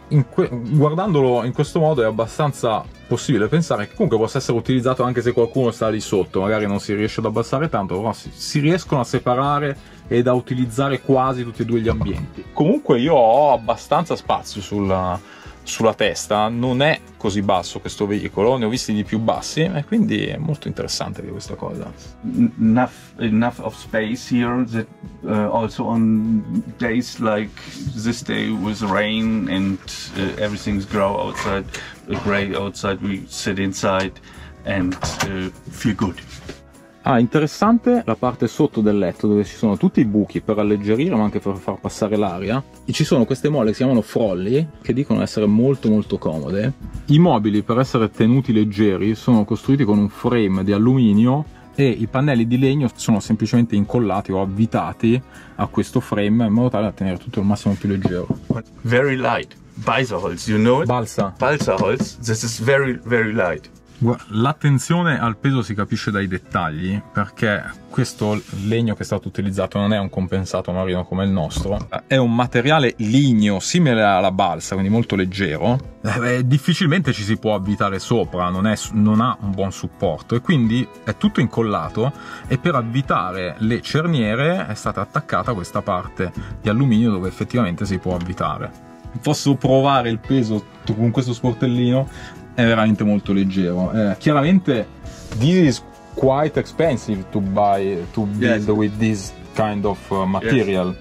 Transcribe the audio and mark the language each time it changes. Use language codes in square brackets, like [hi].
[it] Guardandolo in questo modo è abbastanza possibile pensare che comunque possa essere utilizzato anche se qualcuno sta lì sotto, magari non si riesce ad abbassare tanto, però si riescono a separare ed a utilizzare quasi tutti e due gli ambienti. Comunque io ho abbastanza spazio sulla testa, non è così basso questo veicolo, ne ho visti di più bassi, e quindi è molto interessante questa cosa. [en] Enough of space here that also on days like this day with rain and everything's grow outside, gray outside, we sit inside and feel good. [it] Ah, interessante la parte sotto del letto dove ci sono tutti i buchi per alleggerire ma anche per far passare l'aria. E ci sono queste molle che si chiamano frolli, che dicono essere molto molto comode. I mobili, per essere tenuti leggeri, sono costruiti con un frame di alluminio e i pannelli di legno sono semplicemente incollati o avvitati a questo frame in modo tale da tenere tutto al massimo più leggero. [en] Very light. Balsaholz, you know it? Balsa. Balsaholz. This is very very light. [it] L'attenzione al peso si capisce dai dettagli, perché questo legno che è stato utilizzato non è un compensato marino come il nostro, è un materiale ligneo simile alla balsa, quindi molto leggero. Difficilmente ci si può avvitare sopra, non ha un buon supporto, e quindi è tutto incollato, e per avvitare le cerniere è stata attaccata questa parte di alluminio dove effettivamente si può avvitare. posso provare il peso con questo sportellino, è veramente molto leggero. [en] Chiaramente this is quite expensive to buy, to build with this kind of material.